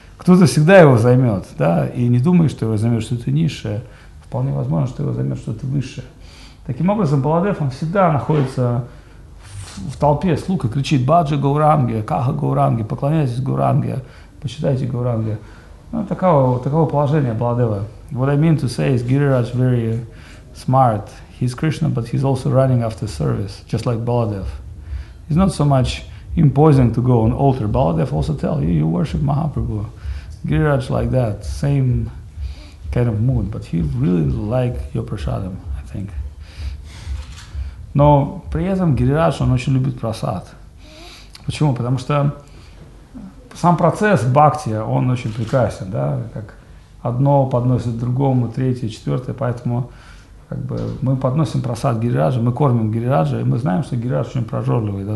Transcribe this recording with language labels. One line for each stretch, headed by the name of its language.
Russian: Кто-то всегда его займет. Да? И не думай, что его займет что-то низшее. Вполне возможно, что его займет что-то высшее. Таким образом, Баладев он всегда находится в толпе слуг и кричит «Баджа Гауранге», «Каха Гауранге», «Поклоняйтесь Гауранге», «Почитайте Гауранге». Ну, таково положение Баладева.
English: What I mean to say is Гирирадж very smart. He's Krishna, but he's also running after service, just like Baladev. He's not so much imposing to go on altar. Baladev also tell you, you worship Mahaprabhu. Gurudev like that, same kind of mood, but he really like your prasadam, I think.
Russian: Но при этом Гирирадж, он очень любит прасад. Почему? Потому что сам процесс бхакти, он очень прекрасен, да, как одно подносит другому, третье, четвертое, поэтому как бы мы подносим просад Гирираджа, мы кормим Гирираджа, и мы знаем, что Гирирадж очень прожорливый. Да?